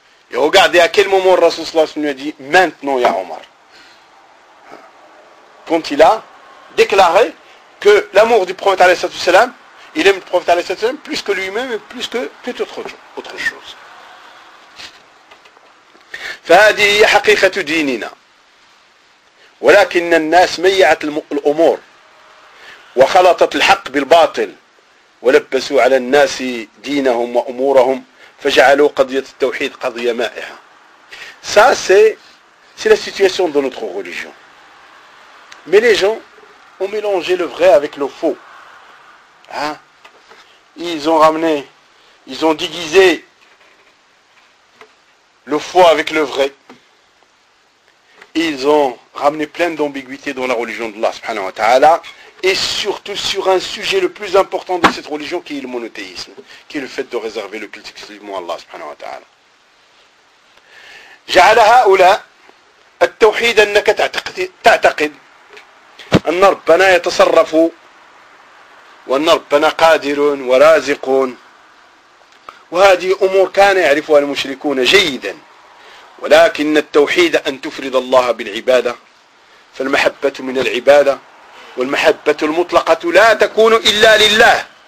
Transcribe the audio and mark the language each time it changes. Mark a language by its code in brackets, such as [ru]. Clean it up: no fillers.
[fr] Et regardez à quel moment Rasulallah lui a dit, maintenant ya Omar. Quand il a déclaré que l'amour du prophète alayhi wa sallam, il aime le prophète alayhi wa sallam plus que lui-même et plus que toute autre chose. [ar] فهذه هي حقيقة ديننا ولكن الناس ميعت الأمور وخلطت الحق بالباطل ولبسوا على الناس دينهم وأمورهم فجعلوا قضية التوحيد قضية مائحة. [fr] Ça c'est la situation de notre religion. Mais les gens ont mélangé le vrai avec le faux. Ils ont ramené, ils ont déguisé le faux avec le vrai. Ils ont ramené plein d'ambiguïté dans la religion d'Allah subhanahu wa ta'ala. Et surtout sur un sujet le plus important de cette religion qui est le monothéisme, qui est le fait de réserver le culte exclusivement à Allah subhanahu wa ta'ala. [ar] J'a'ala ha'oula at-tawhid annaka ta'taqid أن ربنا يتصرف وأن ربنا قادر ورازق وهذه أمور كان يعرفها المشركون جيدا ولكن التوحيد أن تفرد الله بالعبادة فالمحبة من العبادة والمحبة المطلقة لا تكون إلا لله